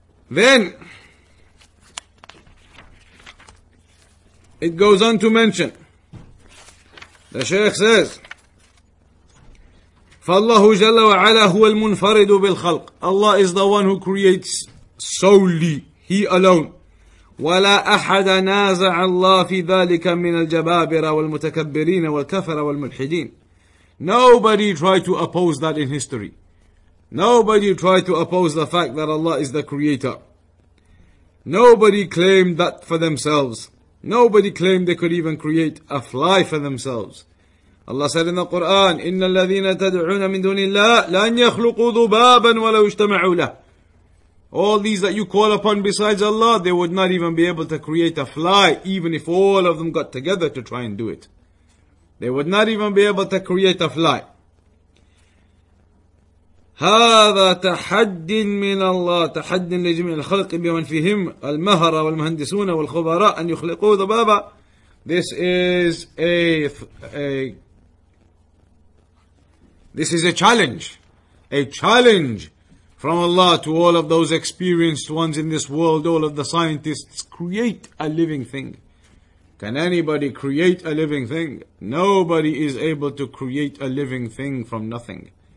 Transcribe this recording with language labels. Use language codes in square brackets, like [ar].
[en] Then it goes on to mention, the Shaykh says, [ar] فالله جل وعلا هو المنفرد بالخلق. [en] Allah is the one who creates solely, He alone. [ar] ولا أحد نازع الله في ذلك من الجبابرة والمتكبرين والكفرة والملحدين. [en] Nobody tried to oppose that in history. Nobody tried to oppose the fact that Allah is the creator. Nobody claimed that for themselves. Nobody claimed they could even create a fly for themselves. Allah said in the Quran, [ar] إِنَّ الَّذِينَ تَدْعُونَ مِن دُونِ اللَّهِ لَن يَخْلُقُوا ذُبَابًا وَلَوْ اجْتَمَعُوا لَهُ. [en] All these that you call upon besides Allah, they would not even be able to create a fly, even if all of them got together to try and do it. They would not even be able to create a fly. [ar] هذا تحد من الله تحد لجميع الخلق بمن فيهم المهرة والمهندسون والخبراء أن يخلقوا ذبابا. [en] This is a challenge from Allah to all of those experienced ones in this world, all of the scientists, create a living thing. Can anybody create a living thing? Nobody is able to create a living thing from nothing.